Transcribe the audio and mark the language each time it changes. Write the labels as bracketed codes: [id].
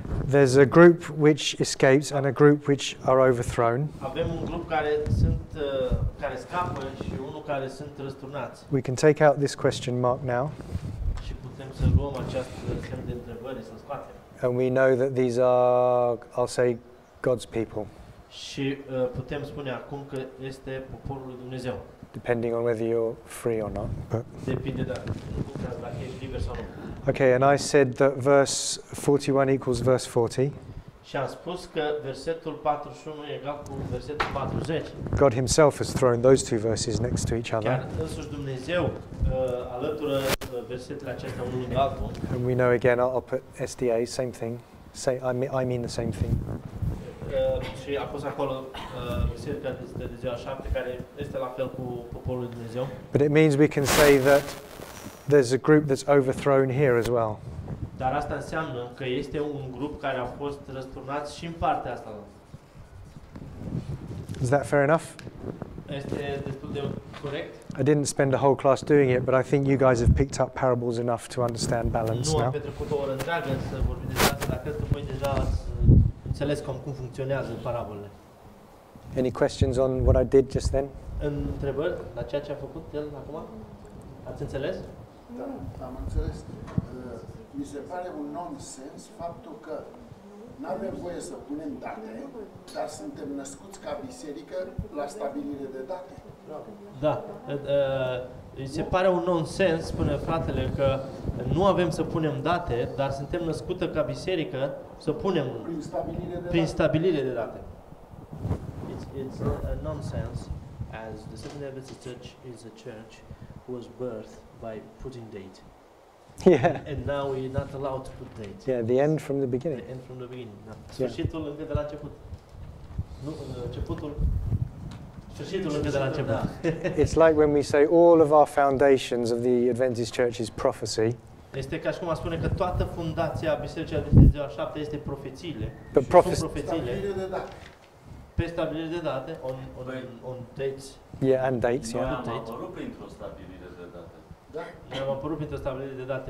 [en] there's a group which escapes and a group which are overthrown. [ro] Avem un grup care sunt care scapă și unul care sunt răsturnați. [en] We can take out this question mark now. [ro] Și putem să luăm acest semn de întrebare, să-l scoatem. [en] And we know that these are, I'll say, God's people. [ro] Și putem spune acum că este poporul lui Dumnezeu. [en] Depending on whether you're free or not. But [ro] depinde dacă ești liber sau nu. [en] Okay, and I said that verse 41 equals verse 40. [ro] Și am spus că versetul 41 e egal cu versetul 40. [en] God himself has thrown those two verses next to each other. [ro] Chiar însuși Dumnezeu alătură versetele acestea unul lângă altul. [en] And we know again, I'll put SDA, same thing. Say, I mean the same thing. [ro] Și a fost acolo biserica de ziua 7, care este la fel cu poporul lui Dumnezeu. [en] But it means we can say that there's a group that's overthrown here as well. [ro] Dar asta înseamnă că este un grup care a fost răsturnat și în partea asta. [en] Is that fair enough? [ro] Este destul de corect? [en] I didn't spend a whole class doing it, but I think you guys have picked up parables enough to understand balance now. [ro] Nu am petrecut o oră întreagă să vorbim despre asta, dar cred că voi deja înțeles cum funcționează parabolele. [en] Any questions on what I did just then? [ro] Întrebări la ceea ce a făcut el acum? Ați înțeles? Da, am înțeles. Mi se pare un nonsens faptul că n-avem voie să punem date, dar suntem născuți ca biserică la stabilire de date. Da, îi se pare un nonsens, spune fratele, că nu avem să punem date, dar suntem născută ca biserică să punem prin stabilire de date. [en] It's a nonsense, as the Seventh-day Adventist Church is a church who was birthed by putting date. Yeah. And now we're not allowed to put date. Yeah, the end from the beginning. [ro] Sfârșitul încă de la început. Nu, începutul. Sfârșitul încă de la început. [en] It's like when we say all of our foundations of the Adventist Church is prophecy. [ro] Este ca și cum a spune că toată fundația Bisericii Adventiste a 7 este profețiile. [en] But [ro] profețiile. Pe stabilire de date, [en] on dates. Yeah, and dates, yeah. [ro] Noi am apărut printr-o stabilire. Da. Noi am apărut printr-o stabilire de date.